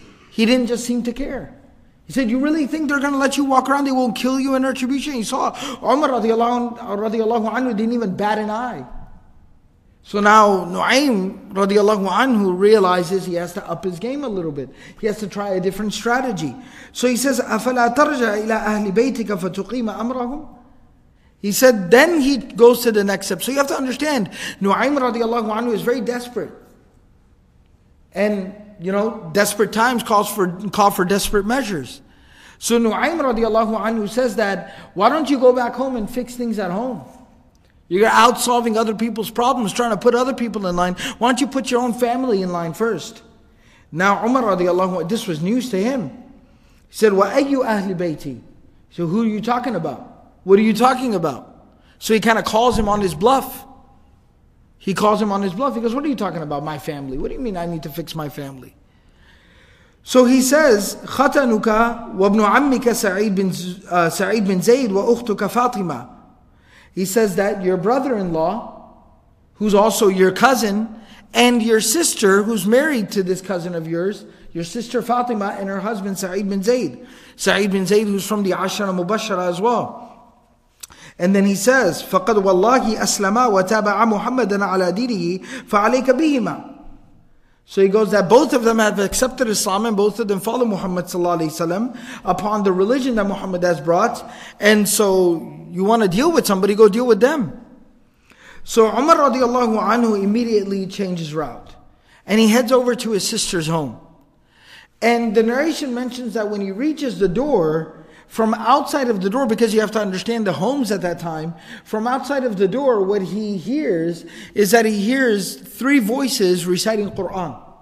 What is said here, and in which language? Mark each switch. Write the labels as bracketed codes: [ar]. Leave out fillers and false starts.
[en] He didn't just seem to care. He said, "You really think they're going to let you walk around? They will kill you in retribution?" He saw Umar radiallahu anhu didn't even bat an eye. So now Nu'aym radiallahu anhu realizes he has to up his game a little bit. He has to try a different strategy. So he says, [ar] "أَفَلَا تَرْجَعَ إِلَىٰ أَهْلِ بَيْتِكَ فَتُقِيمَ أَمْرَهُمْ?" [en] He said, then he goes to the next step. So you have to understand, Nu'aym radiallahu anhu is very desperate. And, desperate times call for desperate measures. So Nu'aym radiallahu anhu says that, "Why don't you go back home and fix things at home? You're out solving other people's problems, trying to put other people in line. Why don't you put your own family in line first?" Now Umar radiallahu anhu, this was news to him. He said, [ar] "وَأَيُّ أَهْلِ بَيْتِي?" [en] So who are you talking about? What are you talking about? So he kind of calls him on his bluff. He calls him on his bluff. He goes, "What are you talking about, my family? What do you mean I need to fix my family?" So he says, [ar] "خَتَنُكَ وَابْنُ عَمِّكَ سَعِيد بِن زَيْد وَأُخْتُكَ فَاطِمَا." [en] He says that your brother-in-law, who's also your cousin, and your sister, who's married to this cousin of yours, your sister Fatima and her husband Sa'id bin Zayd. Sa'id bin Zayd, who's from the Ashara Mubashara as well. And then he says, [ar] "فَقَدْ وَاللَّهِ أَسْلَمَا وَتَابَعَ مُحَمَّدًا عَلَىٰ دِينِهِ فَعَلَيْكَ بِهِمَا." [en] So he goes that both of them have accepted Islam and both of them follow Muhammad sallallahu alaihi wasallam upon the religion that Muhammad has brought. And so you want to deal with somebody, go deal with them. So Umar radiallahu anhu immediately changes route. And he heads over to his sister's home. And the narration mentions that when he reaches the door, from outside of the door, because you have to understand the homes at that time, from outside of the door, what he hears is that he hears three voices reciting Quran.